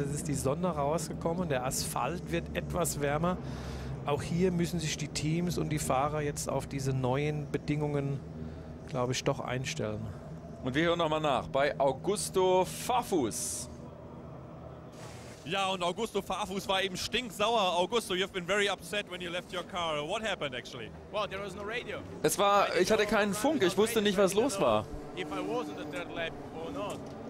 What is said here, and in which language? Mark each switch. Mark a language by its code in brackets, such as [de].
[de] Es ist die Sonne rausgekommen, der Asphalt wird etwas wärmer. Auch hier müssen sich die Teams und die Fahrer jetzt auf diese neuen Bedingungen, glaube ich, doch einstellen. Und wir hören nochmal nach bei Augusto Farfus. Ja, und Augusto Farfus war eben stinksauer. [en] Augusto, you've been very upset when you left your car. What happened actually? Well, there was no radio. [de] Es war, ich hatte keinen Funk, ich wusste nicht, was los war. [en] If I was in the third lap or not.